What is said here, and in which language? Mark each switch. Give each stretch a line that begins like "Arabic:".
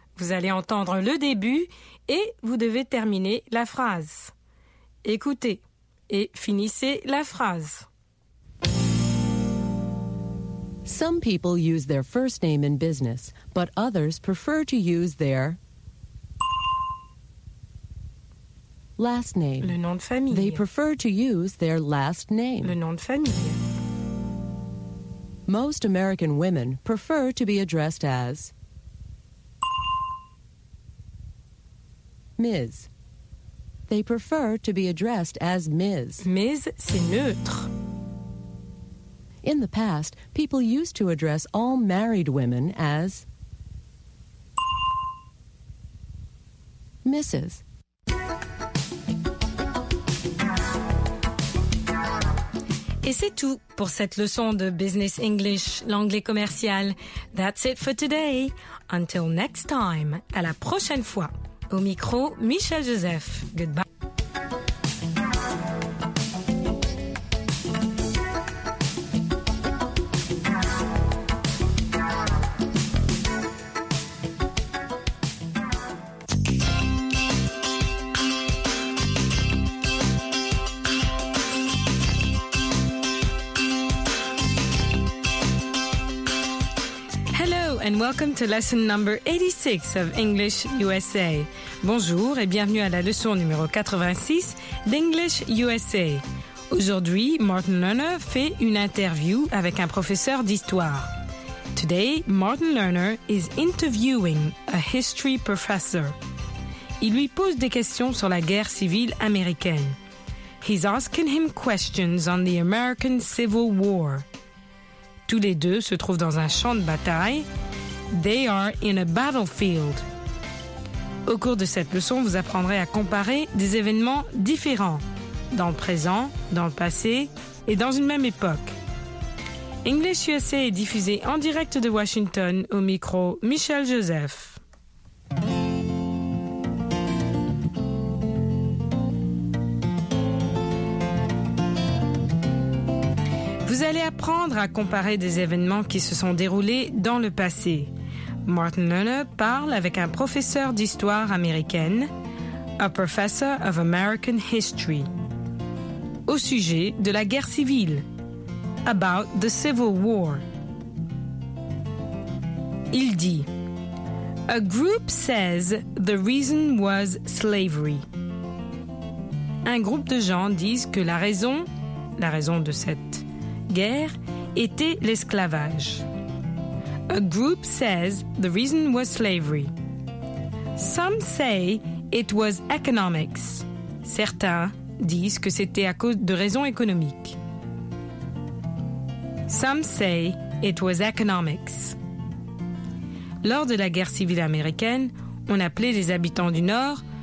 French: Vous allez entendre le début et vous devez terminer la phrase. Écoutez et finissez la phrase.
English: Some people use their first name in business, but others prefer to use their last name.
French: Le nom de famille.
English: They prefer to use their last name.
French: Le nom de famille.
English: Most American women prefer to be addressed as Ms. They prefer to be addressed as Ms.
French: Ms, c'est neutre.
English: In the past, people used to address all married women as Mrs.
French: Et c'est tout pour cette leçon de Business English, l'anglais commercial.
English: That's it for today. Until next time,
French: à la prochaine fois. Au micro, Michel Joseph.
English: Goodbye. And welcome to lesson number 86 of English USA.
French: Bonjour et bienvenue à la leçon numéro 86 d'English USA. Aujourd'hui, Martin Lerner fait une interview avec un professeur d'histoire.
English: Today, Martin Lerner is interviewing a history professor.
French: Il lui pose des questions sur la guerre civile américaine.
English: He's asking him questions on the American Civil War.
French: Tous les deux se trouvent dans un champ de bataille.
English: They are in a battlefield.
French: Au cours de cette leçon, vous apprendrez à comparer des événements différents, dans le présent, dans le passé et dans une même époque. English USA est diffusé en direct de Washington au micro Michel Joseph. Vous allez apprendre à comparer des événements qui se sont déroulés dans le passé. Martin Lerner parle avec un professeur d'histoire américaine,
English: a professor of American history,
French: au sujet de la guerre civile,
English: about the Civil War.
French: Il dit,
English: a group says the reason was slavery.
French: Un groupe de gens disent que la raison de cette guerre était l'esclavage.
English: A group says the reason was slavery. Some say it was economics.
French: Certains disent que c'était à cause de raisons économiques.
English: Some say it was economics.
French: Lors de la guerre civile américaine, on appelait les habitants du Nord